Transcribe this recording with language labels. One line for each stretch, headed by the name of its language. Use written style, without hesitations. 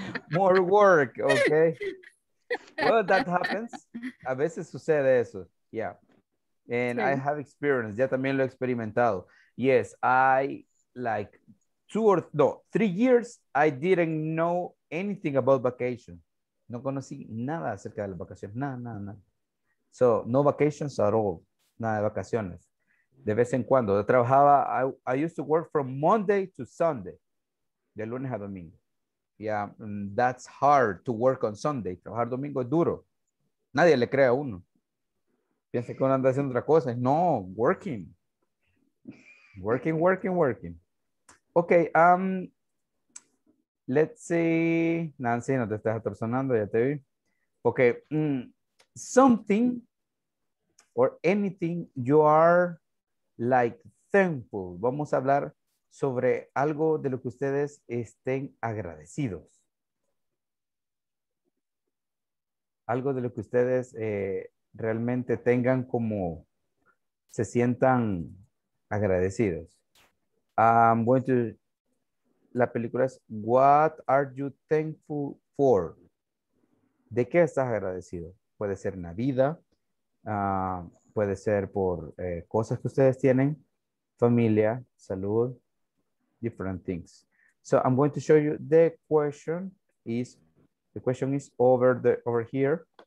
English: More work, okay. Well, that happens.
Spanish: A veces sucede eso,
English: yeah. And okay. I have experience,
Spanish: ya también lo he experimentado.
English: Yes, I like three years, I didn't know anything about vacation.
Spanish: No conocí nada acerca de las vacaciones, nada.
English: So, no vacations at all,
Spanish: nada de vacaciones. De vez en cuando, yo trabajaba,
English: I used to work from Monday to Sunday,
Spanish: de lunes a domingo.
English: Yeah, that's hard to work on Sunday.
Spanish: Trabajar domingo es duro. Nadie le cree a uno. Piensa que uno anda haciendo otra cosa. No,
English: working. Working. Okay, let's see.
Spanish: Nancy, no te estás atorsonando, ya te vi.
English: Okay, something or anything you are like thankful.
Spanish: Vamos a hablar sobre algo de lo que ustedes estén agradecidos. Algo de lo que ustedes realmente tengan como se sientan agradecidos.
English: I'm going to,
Spanish: la película es
English: What are you thankful for?
Spanish: ¿De qué estás agradecido? Puede ser en la vida, puede ser por cosas que ustedes tienen, familia, salud,
English: different things. So I'm going to show you the question is, the question is over here.